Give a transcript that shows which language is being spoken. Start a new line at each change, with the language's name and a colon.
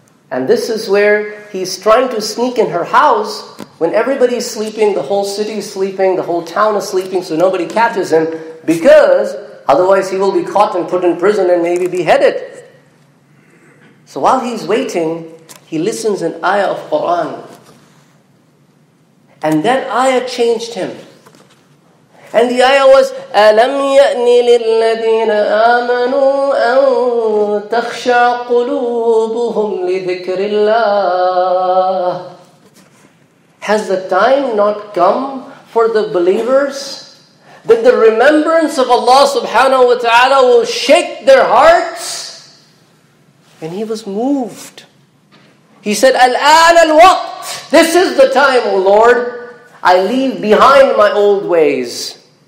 English: And this is where he's trying to sneak in her house when everybody's sleeping, the whole city is sleeping, the whole town is sleeping, so nobody catches him, because otherwise he will be caught and put in prison and maybe beheaded. So while he's waiting, he listens an ayah of Quran. And that ayah changed him. And the ayah was,
Arabic: أَلَمْ يَأْنِ لِلَّذِينَ آمَنُوا أَن تَخْشَعْ قُلُوبُهُمْ لِذِكْرِ اللَّهِ.
English: Has the time not come for the believers that the remembrance of Allah subhanahu wa ta'ala will shake their hearts? And he was moved. He said, Al-an al-waqt. This is the time, O Lord. I leave behind my old ways.